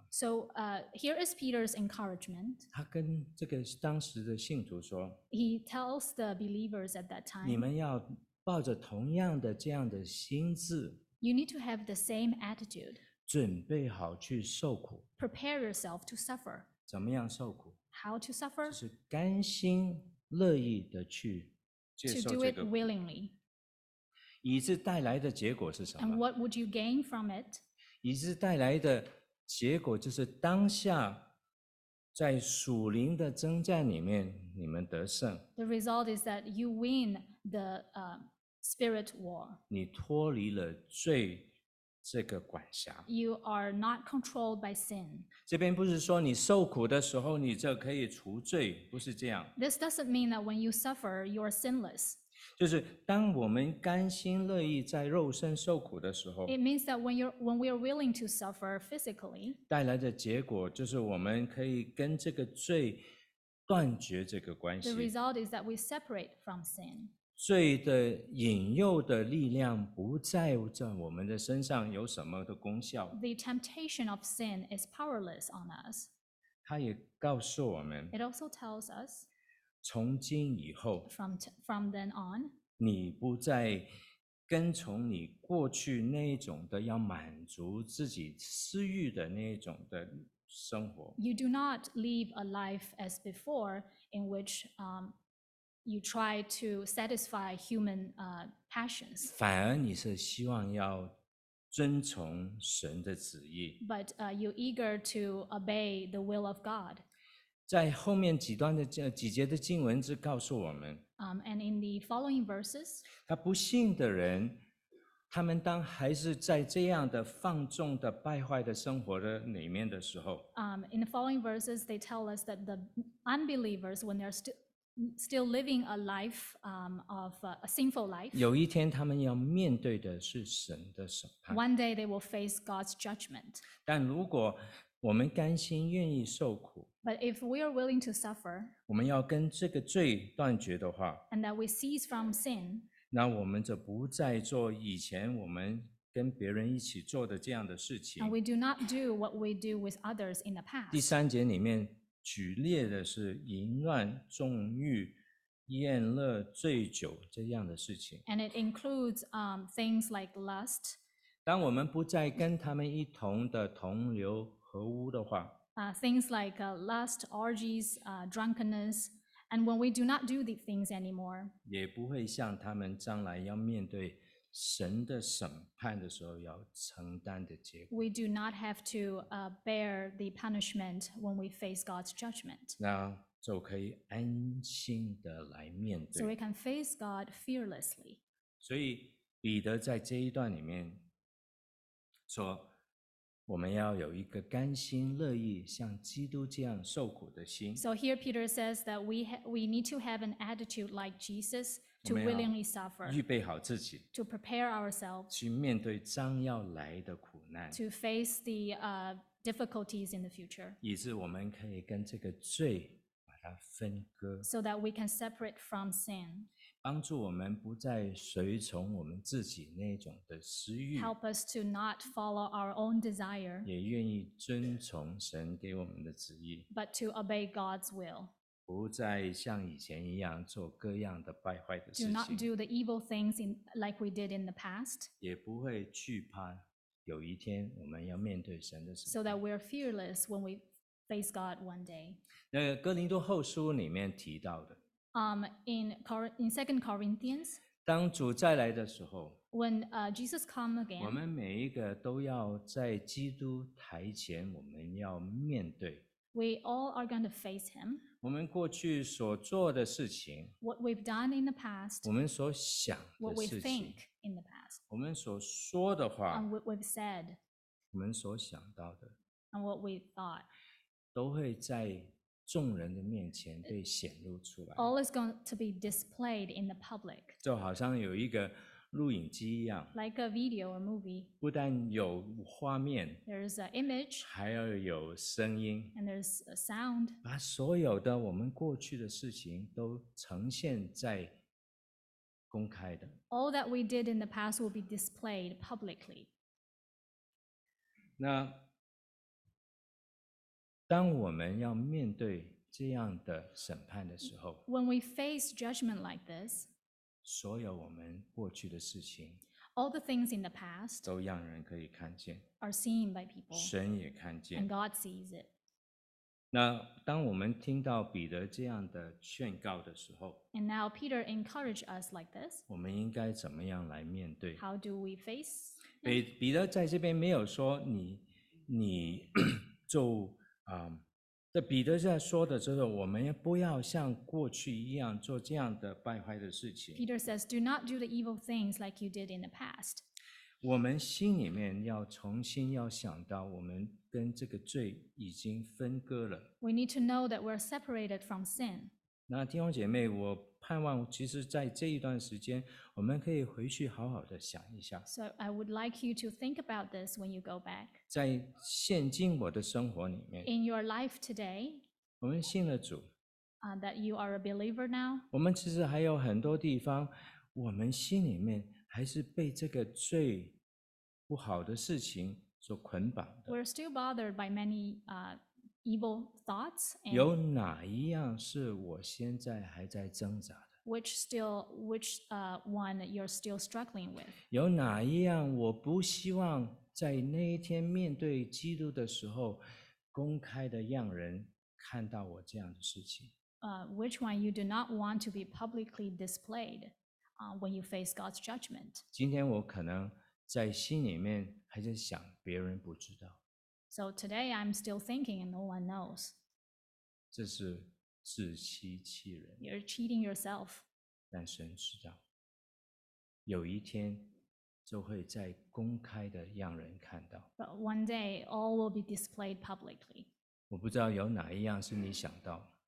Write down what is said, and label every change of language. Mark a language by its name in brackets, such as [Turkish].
[English] So, here is Peter's encouragement. [Chinese] 他跟这个当时的信徒说， [English] He tells the believers at that time, [Chinese] 你们要抱着同样的这样的心志。 [English] You need to have the same attitude. [Chinese] 准备好去受苦。 [English] Prepare yourself to suffer. [Chinese] 怎么样受苦？ [English] How to suffer? [Chinese] 就是甘心乐意的去接受这个苦。 [English] To do it willingly. [Chinese] 以致带来的结果是什么？ [English] And what would you gain from it? [Chinese] 以致带来的结果就是当下在属灵的征战里面你们得胜。 [English] The result is that you win the spirit war. [Chinese] 你脱离了罪这个管辖。 [English] You are not controlled by sin. [Chinese] 这边不是说你受苦的时候你就可以除罪，不是这样。 [English] This doesn't mean that when you suffer, you are sinless. [Chinese] 就是当我们甘心乐意在肉身受苦的时候， [English] It means that when we are willing to suffer physically, [Chinese] 带来的结果就是我们可以跟这个罪断绝这个关系。 [English] The result is that we separate from sin. [Chinese] 罪的引诱的力量不再在我们的身上有什么的功效。 [English] The temptation of sin is powerless on us. [Chinese] 他也告诉我们， [English] It also tells us, [Chinese] 从今以后， [English] from then on, [Chinese] 你不再跟从你过去那种的要满足自己私欲的那种的生活。 [English] You do not live a life as before in whichyou try to satisfy human passions. [Chinese] 反而你是希望要遵从神的旨意。 [English] But you eager to obey the will of God. [Chinese] 在后面几段的几节的经文就告诉我们。 [English] And in the following verses, [Chinese] 他不信的人，他们当还是在这样的放纵的败坏的生活的里面的时候。 [English] In the following verses, they tell us that the unbelievers, when they're still living a life of a sinful life. [Chinese] 有一天他们要面对的是神的审判。 [English] One day they will face God's judgment. [Chinese] 但如果我们甘心愿意受苦， [English] But if we are willing to suffer, [Chinese] 我们要跟这个罪断绝的话， [English] And that we cease from sin, [Chinese] 那我们就不再做以前我们跟别人一起做的这样的事情。 [English] And we do not do what we do with others in the past. [Chinese] 第三节里面举列的是淫乱、纵欲、宴乐、醉酒这样的事情。 [English] And it includes things like lust. [Chinese] 当我们不再跟他们一同的同流合污的话， [English] things like lust, orgies, drunkenness, and when we do not do these things anymore, [Chinese] 也不会像他们将来要面对神的审判的时候要承担的结果。 [English] We do not have to bear the punishment when we face God's judgment. [Chinese] 那就可以安心的来面对。 [English] So we can face God fearlessly. [Chinese] 所以彼得在这一段里面说，我们要有一个甘心乐意像基督这样受苦的心。 [English] So here Peter says that we need to have an attitude like Jesus to willingly suffer. [Chinese] 预备好自己。 [English] To prepare ourselves. [Chinese] 去面对将要来的苦难。 [English] To face the difficulties in the future. [Chinese] 以致我们可以跟这个罪把它分割。 [English] So that we can separate from sin. [Chinese] 帮助我们不再随从我们自己那种的私欲 [English] ，Help us to not follow our own desire， [Chinese] 也愿意遵从神给我们的旨意 [English] ，But to obey God's will， [Chinese] 不再像以前一样做各样的败坏的事情 [English] ，Do not do the evil things in like we did in the past， [Chinese] 也不会惧怕有一天我们要面对神的时候 [English] ，So that we're fearless when we face God one day。 [Chinese] 那个哥林多后书里面提到的。 [English] In 2 Corinthians, [Chinese] 当主再来的时候 [English] when Jesus comes again, [Chinese] 我们每一个都要在基督台前，我们要面对。 [English] We all are going to face him. [Chinese] 我们过去所做的事情 [English] what we've done in the past, [Chinese] 我们所想的事情 [English] what we think in the past, [Chinese] 我们所说的话 [English] and what we've said, [Chinese] 我们所想到的 [English] and what we thought, [Chinese] 都会在众人的面前被显露出来 [English] All is going to be displayed in the public [Chinese] 就好像有一个录影机一样 [English] Like a video or movie [Chinese] 不但有画面 [English] There's an image [Chinese] 还要有声音 [English] And there's a sound [Chinese] 把所有的我们过去的事情都呈现在公开的 [English] All that we did in the past will be displayed publicly [Chinese] 那当我们要面对这样的审判的时候 [English] When we face judgment like this [Chinese] 所有我们过去的事情 [English] All the things in the past [Chinese] 都让人可以看见 [English] Are seen by people [Chinese] 神也看见 [English] And God sees it [Chinese] 那当我们听到彼得这样的劝告的时候 [English] And now Peter encouraged us like this [Chinese] 我们应该怎么样来面对 [English] How do we face [Chinese] 彼得在这边没有说你就彼得在说的就是我们不要像过去一样做这样的败坏的事情。 [English] Peter says, do not do the evil things like you did in the past. [Chinese] 我们心里面要重新要想到我们跟这个罪已经分割了。 [English] We need to know that we're separated from sin. [Chinese] 那弟兄姐妹，我盼望其实在这一段时间我们可以回去好好的想一下 [English] So I would like you to think about this when you go back [Chinese] 在现今我的生活里面 [English] In your life today [Chinese] 我们信了主 [English] That you are a believer now [Chinese] 我们其实还有很多地方我们心里面还是被这个最不好的事情所捆绑的 [English] We're still bothered by many evil thoughts and [Chinese] 有哪一样是我现在还在挣扎的 [English] which one you're still struggling with [Chinese] 有哪一样我不希望在那一天面对基督的时候公开的让人看到我这样的事情 [English] which one you do not want to be publicly displayed when you face God's judgment [Chinese] 今天我可能在心里面还在想别人不知道 [English] So today I'm still thinking and no one knows. [Chinese] 这是自欺欺人。 [English] You're cheating yourself. [Chinese] 但神知道，有一天就会在公开的让人看到。 [English] But one day all will be displayed publicly. [Chinese] 我不知道有哪一样是你想到。